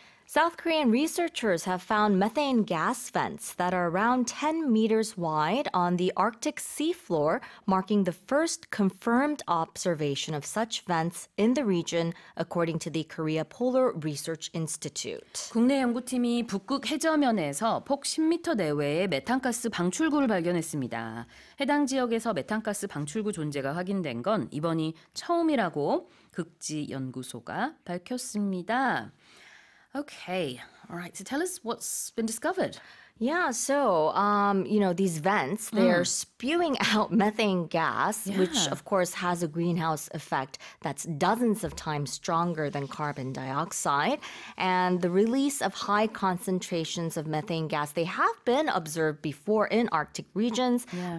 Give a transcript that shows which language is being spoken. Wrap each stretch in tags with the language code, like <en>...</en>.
<en>South Korean researchers have found methane gas vents that are around 10 meters wide on the Arctic seafloor, marking the first confirmed observation of such vents in the region, according to the Korea Polar Research Institute.</en> <ko>국내 연구팀이 북극 해저면에서 폭 10m 내외의 메탄가스 방출구를 발견했습니다. 해당 지역에서 메탄가스 방출구 존재가 확인된 건 이번이 처음이라고 극지연구소가 밝혔습니다.</ko> <en>Okay, all right, so tell us what's been discovered. Yeah, so, you know, these vents, they're spewing out methane gas, yeah. which, of course, has a greenhouse effect that's dozens of times stronger than carbon dioxide. And the release of high concentrations of methane gas, they have been observed before in Arctic regions, yeah.</en>